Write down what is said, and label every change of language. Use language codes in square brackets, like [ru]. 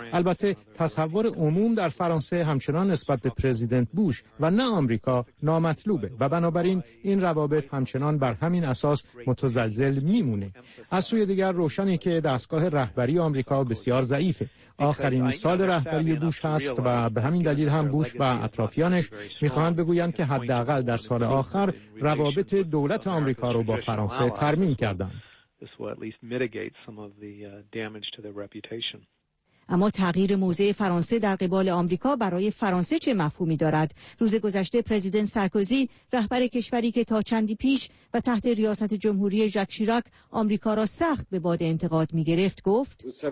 [fa] البته تصور عموم در فرانسه همچنان نسبت به پرزیدنت بوش و نه آمریکا نامطلوبه و بنابراین این روابط همچنان بر همین اساس متزلزل میمونه. از سوی دیگر روشنه که دستگاه رهبری آمریکا بسیار ضعیفه. آخرین سال رهبری بوش هست و به همین دلیل هم بوش و اطرافیانش میخواهند بگویند که حداقل در سال آخر روابط دولت آمریکا رو با فرانسه ترمیم کردند. [en] This will at least mitigate some of the damage to their reputation. [fa] اما تغییر موضع فرانسه در قبال آمریکا برای فرانسه چه مفهومی دارد؟ روز گذشته پرزیدنت سارکوزی، رهبر کشوری که تا چندی پیش و تحت ریاست جمهوری ژاک شیراک آمریکا را سخت به باد انتقاد می‌گرفت، گفت: